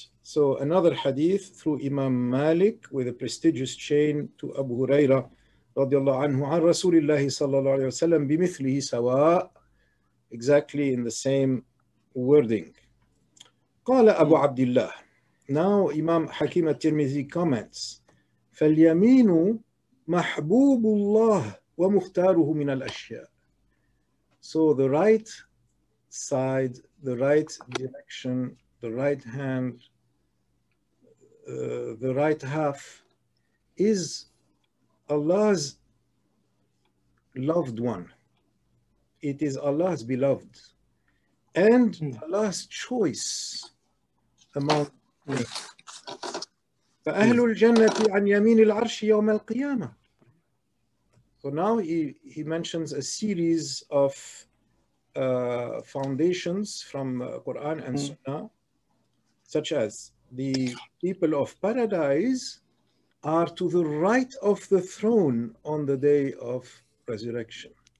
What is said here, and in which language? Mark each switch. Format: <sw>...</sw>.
<en>So another hadith through Imam Malik with a prestigious chain to Abu Huraira</en> <ar>رضي الله عنه عن رسول الله صلى الله عليه وسلم بمثله سواء,</ar> <en>exactly in the same wording.</en> <ar>قال أبو عبد الله.</ar> <en>Now Imam Hakim al-Tirmidhi comments.</en> <ar>فاليمين محبوب الله ومختاره من الأشياء.</ar> <en>So the right side, the right direction, the right hand, the right half is Allah's loved one. It is Allah's beloved. And Allah's choice among us.</en> <ar>فأهل الجنة عن يمين العرش يوم القيامة.</ar> <en>So now he mentions a series of foundations from Quran and Sunnah, such as the people of paradise are to the right of the throne on the day of resurrection.</en>